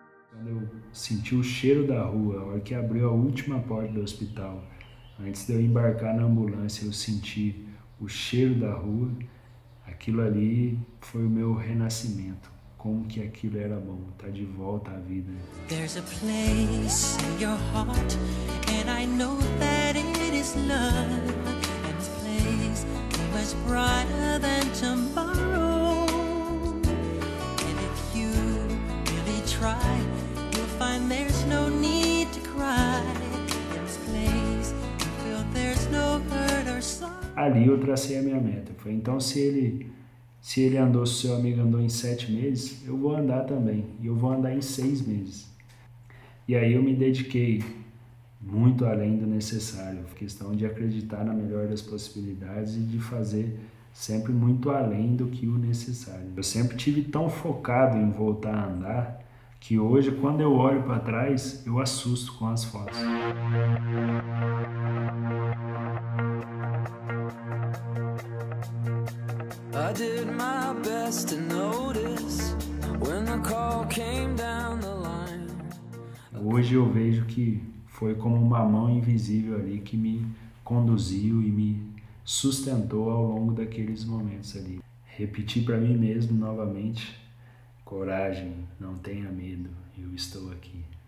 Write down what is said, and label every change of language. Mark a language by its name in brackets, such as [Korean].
[Portuguese] Quando eu senti o cheiro da rua, a hora que abriu a última porta do hospital, antes de eu embarcar na ambulância, eu senti o cheiro da rua. Aquilo ali foi o meu renascimento. Como que aquilo era bom, tá de volta à vida. [English] There's a place in your heart, and I know that it is love. And this place is much brighter than tomorrow. And if you really try, you'll find there's no need to cry. In this place, you feel there's no hurt or sorrow. [Portuguese] Ali eu tracei a minha meta. Foi então se ele andou, se seu amigo andou em 7 meses, eu vou andar também. E eu vou andar em 6 meses. E aí eu me dediquei muito além do necessário, questão de acreditar na melhor das possibilidades e de fazer sempre muito além do que o necessário. Eu sempre tive tão focado em voltar a andar que hoje, quando eu olho para trás, eu assusto com as fotos. [English] I did my best to notice when the call came down the line. [Portuguese] Hoje eu vejo que foi como uma mão invisível ali que me conduziu e me sustentou ao longo daqueles momentos ali. Repeti para mim mesmo novamente: coragem, não tenha medo, eu estou aqui.